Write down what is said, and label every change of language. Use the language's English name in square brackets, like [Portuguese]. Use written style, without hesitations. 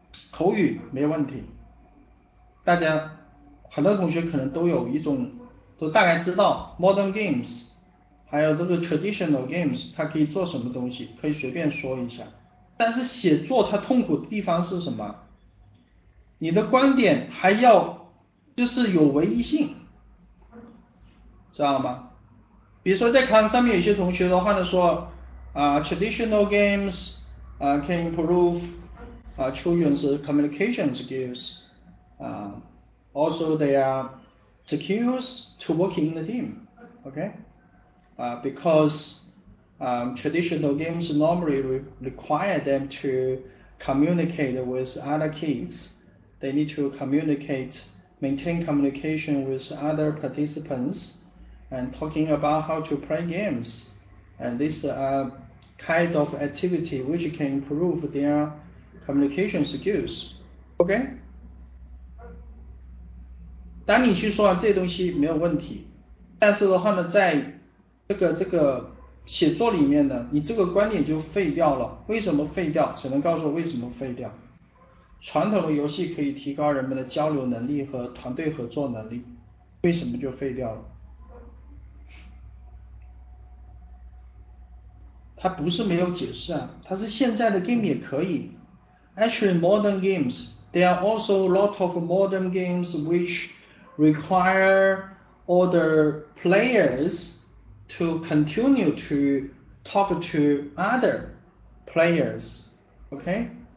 [Chinese] 口语没问题，大家很多同学可能都有一种，都大概知道 modern games。还有这个 traditional games，它可以做什么东西？可以随便说一下。但是写作它痛苦的地方是什么？你的观点还要就是有唯一性，知道吗？比如说在看上面有些同学的话呢说啊， [English] traditional games 啊 can improve 啊 children's communication skills 啊，also their skills to work in the team，OK？ Because traditional games normally require them to communicate with other kids. They need to communicate, maintain communication with other participants, and talking about how to play games. And this kind of activity which can improve their communication skills. Okay? [Chinese] 当你去说这些东西没有问题，但是的话呢，在这个写作里面呢，你这个观点就废掉了。为什么废掉？只能告诉我为什么废掉。传统的游戏可以提高人们的交流能力和团队合作能力，为什么就废掉了？它不是没有解释啊，它是现在的 game 也可以。 [English] Actually, modern games, there are also lot of modern games which require other players. To continue to talk to other players, okay?